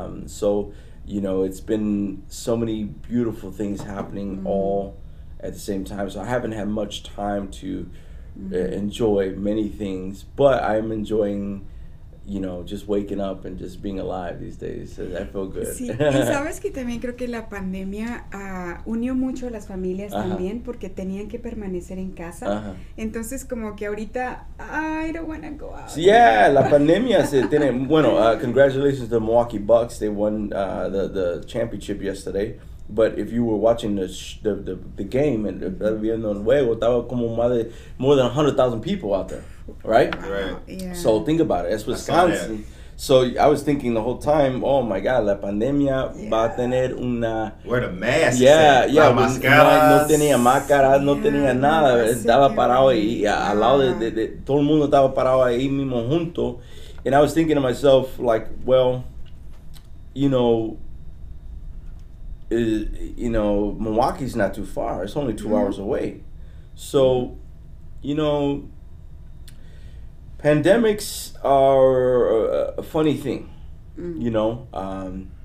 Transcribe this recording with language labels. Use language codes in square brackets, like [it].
[en] So, you know, it's been so many beautiful things happening all at the same time, so I haven't had much time to enjoy many things, but I'm enjoying, you know, just waking up and just being alive these days. So I feel good. [es] Sí, y sabes que también creo que la pandemia unió mucho a las familias también porque tenían que permanecer en casa. Entonces como que ahorita [en] I don't want to go out. So, yeah, [es] la pandemia se tiene. Bueno, [en] congratulations to the Milwaukee Bucks. They won the championship yesterday. But if you were watching the game and [es] viendo el juego, estaba como [en] more than 100,000 people out there, right? Right. Yeah. So think about it. It's Wisconsin. So I was thinking the whole time, oh my God, [es] la pandemia va a tener una. [en] Wear the mask. [es] Yeah. No tenía máscara, no tenía nada. Estaba parado ahí, al lado de todo el mundo estaba parado ahí mismo junto. [en] And I was thinking to myself, like, well, you know. Milwaukee's not too far. It's only 2 hours away. So, you know, pandemics are a funny thing, you know.